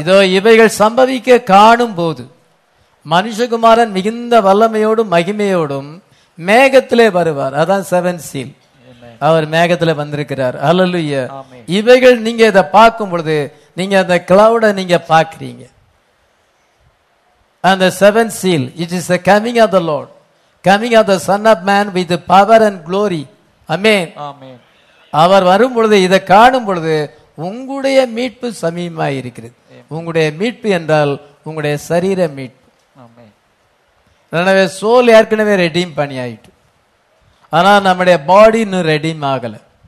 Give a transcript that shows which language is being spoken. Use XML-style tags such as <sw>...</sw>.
<ta>இதோ இவைகள் சம்பவிக்க காணும் போது மனுஷகுமாரன் மிகுந்த வல்லமையோடும் மகிமையோடும் மேகத்திலே வருவார். அதான் 7 seal, அவர் மேகத்தில் வந்திருக்கிறார். ஹல்லேலூயா. இவைகள் நீங்க இதை பார்க்கும் பொழுது நீங்க அந்த கிளவுட நீங்க பார்க்கறீங்க.</ta> <en>And the 7 seal, it is the coming of the Lord, coming of the Son of Man with the power and glory. Amen. Amen.</en> <ta>அவர் வரும் பொழுது இதை காணும் பொழுது உங்களுடைய மீட்பு சமீபமாக இருக்கிறது. உங்களுடைய மீட்பு என்றால் உங்களுடைய சரீர மீட்பு. எனவே சோல் ஏற்கனவே ரெடீம் பண்ணி ஆயிட்டு, ஆனால் நம்முடைய பாடி இன்னும் ரெடீம் ஆகலை.</ta>